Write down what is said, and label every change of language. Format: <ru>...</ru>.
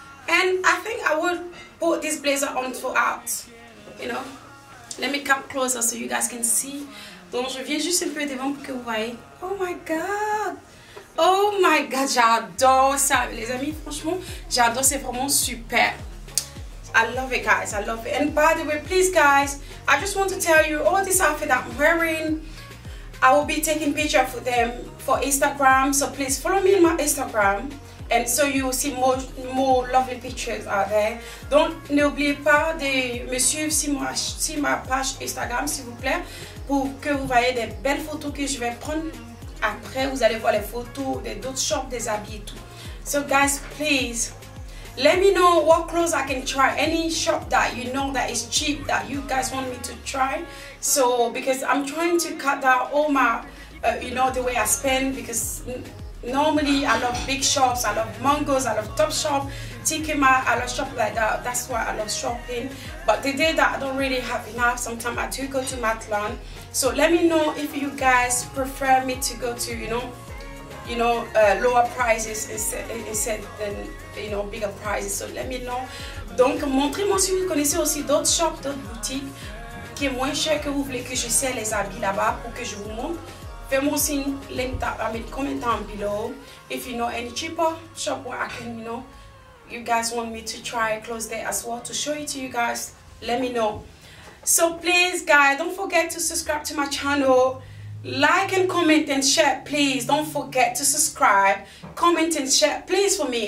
<en>And I think I will put this blazer on throughout. You know? Let me come closer so you guys can see.</en> <fr>Donc je viens juste un peu devant pour que vous voyez.</fr> <en>Oh my god! Oh my god,</en> <fr>j'adore ça. Les amis, franchement, j'adore, c'est vraiment super.</fr> <en>I love it, guys. I love it. And by the way, please, guys, I just want to tell you all this outfit that I'm wearing, I will be taking pictures for them for Instagram. So please follow me on my Instagram. And so you will see more lovely pictures out there.</en> <fr>Donc, n'oubliez pas de me suivre sur ma page Instagram, s'il vous plaît, pour que vous voyez des belles photos que je vais prendre. Après, vous allez voir les photos des d'autres shops, des habits et tout.</fr> <en>So guys, please, let me know what clothes I can try. Any shop that you know that is cheap that you guys want me to try. So, because I'm trying to cut down all my, you know, the way I spend. Because normally I love big shops, I love Mango's, I love Topshop, TK Maxx, I love shop like that. That's why I love shopping. But the day that I don't really have enough, sometimes I do go to Matalan. So let me know if you guys prefer me to go to, lower prices instead than, you know, bigger prices. So let me know.</en> <fr>Donc montrez-moi si vous connaissez aussi d'autres shops, d'autres boutiques qui est moins cher que vous voulez que je sais les habits là-bas pour que je vous montre. Fais-moi aussi un link dans les commentaires below.</fr> <en>If you know any cheaper shop where I can, you know, you guys want me to try clothes there as well to show it to you guys, let me know. So please, guys, don't forget to subscribe to my channel. Like and comment and share, please. Don't forget to subscribe, comment and share, please, for me.</en>